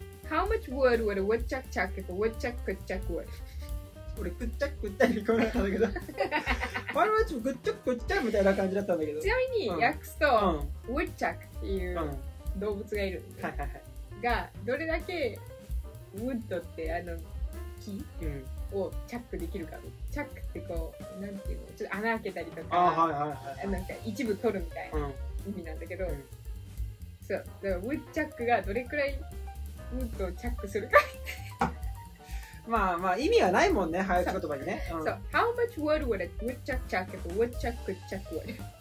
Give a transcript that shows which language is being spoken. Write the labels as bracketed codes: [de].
[en] How much wood would a woodchuck chuck if a woodchuck could chuck wood? [ja] 俺、くっちゃくったり聞こえなかったんだけど。ファルマチもくっちゃくこっちゃみたいな感じだったんだけど。ちなみに、訳すと、woodchuck っていう。動物がいるんで、がどれだけウッドってあの木、をチャックできるか、チャックってこうなんていうの、ちょっと穴開けたりとか、あ、はいはいはいはい、なんか一部取るみたいな意味なんだけど、そう、だからウッチャックがどれくらいウッドをチャックするか、まあまあ意味はないもんね、早口言葉にね。 [en] そう、How much wood would a woodchuck chuck if a woodchuck could chuck wood?